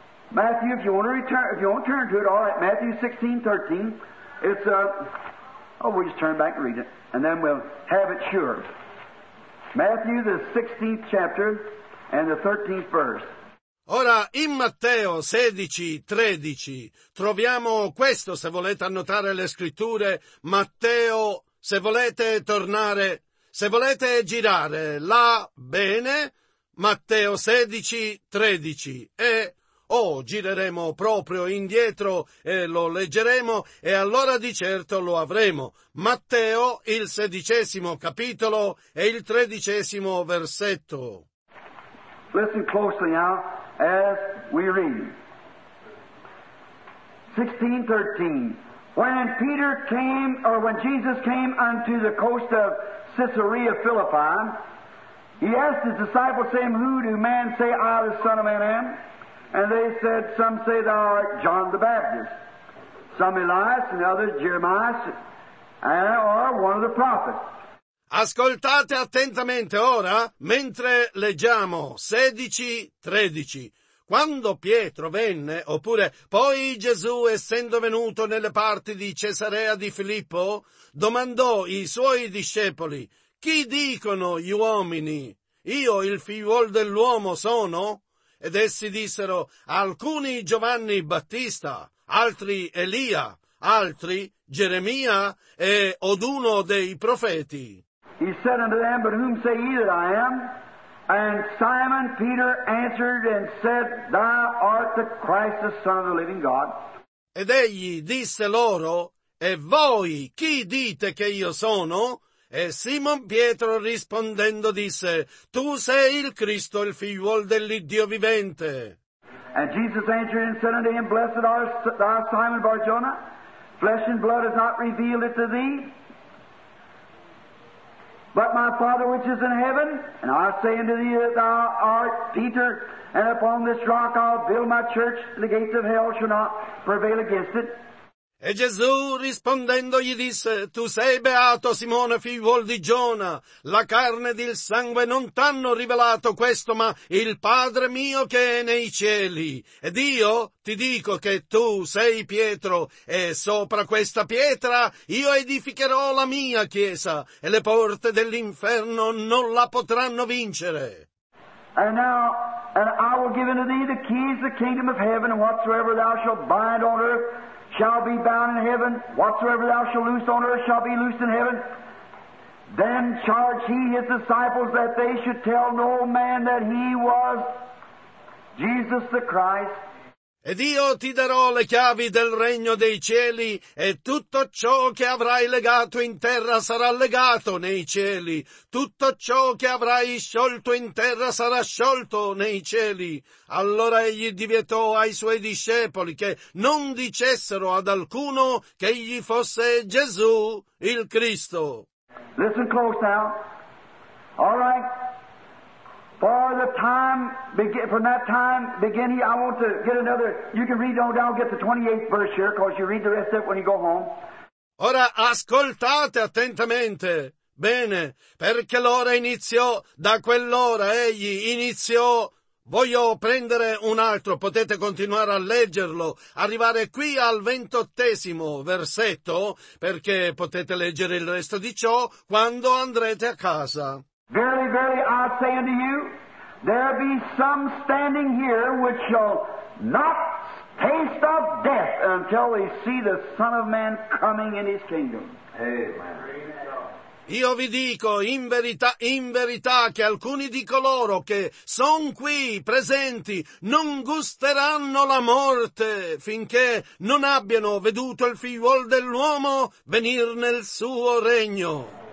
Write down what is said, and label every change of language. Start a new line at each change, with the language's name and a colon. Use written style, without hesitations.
English: Matthew, if you want to return, if you want to turn to it, all right, Matthew 16, 13, it's, we'll just turn back and read it, and then we'll have it sure. Matthew, the 16th chapter, and the 13th verse.
Italian: Ora, in Matteo 16, 13, troviamo questo, se volete annotare le scritture, Matteo... Se volete tornare, se volete girare là, bene, Matteo 16, 13, gireremo proprio indietro e lo leggeremo e allora di certo lo avremo. Matteo, il 16° capitolo e il 13° versetto.
English: Listen closely now as we read. 16:13. When Peter came, or when Jesus came unto the coast of Caesarea Philippi, he asked his disciples, saying, Who do men say I, the Son of Man, am? And they said, Some say thou art John the Baptist, some Elias, and others Jeremiah, and or one of the prophets.
Italian: Ascoltate attentamente ora, mentre leggiamo 16:13. Quando Pietro venne, oppure poi Gesù, essendo venuto nelle parti di Cesarea di Filippo, domandò i suoi discepoli, «Chi dicono gli uomini? Io il figliuol dell'uomo sono?» Ed essi dissero, «Alcuni Giovanni Battista, altri Elia, altri Geremia e od uno dei profeti».
English: He said unto them, «But whom say ye that I am?» And Simon Peter answered and said, Thou art the Christ, the Son of the living God.
Italian: Ed egli disse loro, E voi chi dite che io sono? E Simon Pietro rispondendo disse, Tu sei il Cristo, il figliuol dell'Iddio vivente.
English: And Jesus answered and said unto him, Blessed art thou, Simon Barjona, flesh and blood has not revealed it to thee. But my Father which is in heaven, and I say unto thee that thou art Peter, and upon this rock I'll build my church, and the gates of hell shall not prevail against it.
Italian: E Gesù rispondendo gli disse, tu sei beato Simone figliuol di Giona, la carne ed il sangue non t'hanno rivelato questo, ma il Padre mio che è nei cieli. Ed io ti dico che tu sei Pietro, e sopra questa pietra io edificherò la mia chiesa, e le porte dell'inferno non la potranno vincere.
English: And now, and I will give unto thee the keys of the kingdom of heaven, and whatsoever thou shalt bind on earth shall be bound in heaven, whatsoever thou shalt loose on earth shall be loosed in heaven. Then charged he his disciples that they should tell no man that he was Jesus the Christ.
Italian: Ed io ti darò le chiavi del regno dei cieli, e tutto ciò che avrai legato in terra sarà legato nei cieli. Tutto ciò che avrai sciolto in terra sarà sciolto nei cieli. Allora egli divietò ai suoi discepoli che non dicessero ad alcuno che egli fosse Gesù il Cristo.
English: Listen close now. All right. For the time, from that time beginning, I want to get another, you can read on down, get the 28th verse here, because you read the rest of it when you go home.
Italian: Ora ascoltate attentamente. Bene, perché l'ora iniziò, da quell'ora egli iniziò. Voglio prendere un altro, potete continuare a leggerlo, arrivare qui al 28° versetto, perché potete leggere il resto di ciò quando andrete a casa.
English: Verily, verily, I say unto you, there be some standing here which shall not taste of death until they see the Son of Man coming in his kingdom. Amen.
Italian: Io vi dico, in verità, che alcuni di coloro che son qui presenti non gusteranno la morte finché non abbiano veduto il figliuol dell'uomo venir nel suo regno.